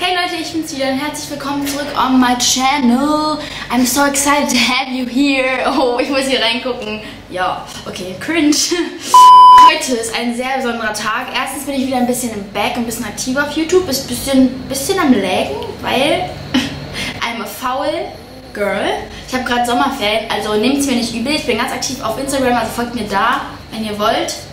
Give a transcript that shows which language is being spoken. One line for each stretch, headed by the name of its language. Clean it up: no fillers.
German: Leute, ich bin's wieder und herzlich willkommen zurück
English: on my channel. I'm so excited to have you here.
German: Oh, ich muss hier reingucken. Ja, okay, cringe. Heute ist ein sehr besonderer Tag. Erstens bin ich wieder ein bisschen im Back, ein bisschen aktiver auf YouTube. Ist ein bisschen am Laggen, weil
English: I'm a foul girl.
German: Ich habe gerade Sommerferien, also nehmt's mir nicht übel. Ich bin ganz aktiv auf Instagram, also folgt mir da, wenn ihr wollt.